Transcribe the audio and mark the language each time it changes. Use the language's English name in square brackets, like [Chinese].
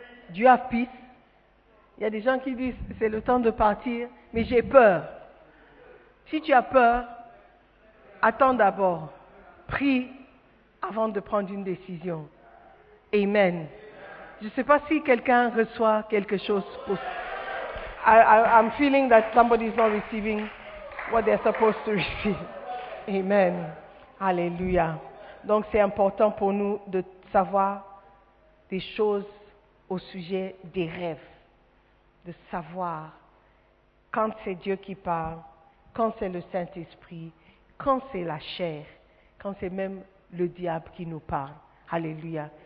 [French] Dieu a peace. Il y a des gens qui disent, c'est le temps de partir, mais j'ai peur. Si tu as peur, attends d'abord. Prie avant de prendre une décision. Amen. Je ne sais pas si quelqu'un reçoit quelque chose. [English] I'm feeling that somebody is not receiving what they're supposed to receive. Amen. Alléluia. [French] Donc c'est important pour nous de savoir des choses au sujet des rêves. De savoir quand c'est Dieu qui parle, quand c'est le Saint-Esprit, quand c'est la chair, quand c'est même le diable qui nous parle. Alléluia.